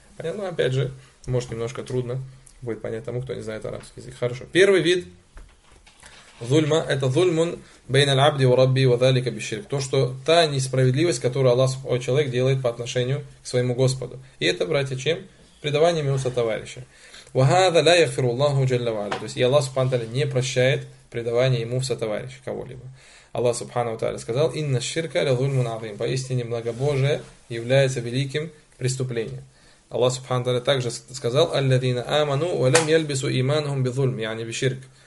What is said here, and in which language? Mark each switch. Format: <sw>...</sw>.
<ru>Понятно? Ну, опять же, может, немножко трудно будет понять тому, кто не знает арабский язык. Хорошо. Первый вид зульма – это</ru> <ar>зульмун бейна л'абди ва рабби ва залика биширк.</ar> <ru>То, что та несправедливость, которую Аллах, о, человек, делает по отношению к своему Господу. И это, братья, чем? Предаванием его сотоварища.</ru> <ar>وهذا لا يغفر الله جل وعلا.</ar> <ru>То есть и Аллах Субхану ва Тааля не прощает предавание ему в сотоварищ кого-либо. Аллах Субхану ва Тааля сказал:</ru> <ar>инна ширка ля зульмун азим.</ar> <ru>Поистине многобожие является великим преступлением.</ru> <ar>Аллах Субхану ва Тааля</ar> <ru>также сказал:</ru> <ar>аллазина аману ва лям йальбису иманахум бизульм, يعني بشرك.</ar>